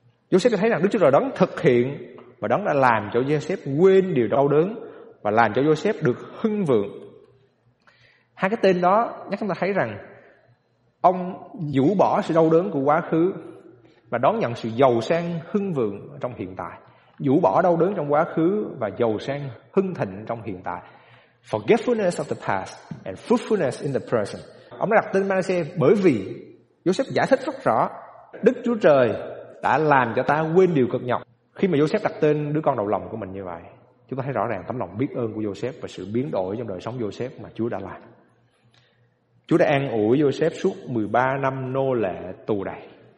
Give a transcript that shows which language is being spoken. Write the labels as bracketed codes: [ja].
[vi] Joseph thấy rằng Đức Chúa Trời đấng thực hiện và đấng đã làm cho Joseph quên điều đau đớn và làm cho Joseph được hưng vượng. Hai cái tên đó nhắc chúng ta thấy rằng ông dũ bỏ sự đau đớn của quá khứ và đón nhận sự giàu sang hưng vượng trong hiện tại. Dũ bỏ đau đớn trong quá khứ và giàu sang hưng thịnh trong hiện tại. [en] Forgetfulness of the past and fruitfulness in the present. [vi] Ông đã đặt tên Manasseh bởi vì Joseph giải thích rất rõ, Đức Chúa Trời đã làm cho ta quên điều cực nhọc. Khi mà Joseph đặt tên đứa con đầu lòng của mình như vậy, chúng ta thấy rõ ràng tấm lòng biết ơn của Joseph và sự biến đổi trong đời sống Joseph mà Chúa đã làm. Chúa đã an ủi Joseph suốt 13 năm nô lệ tù đày.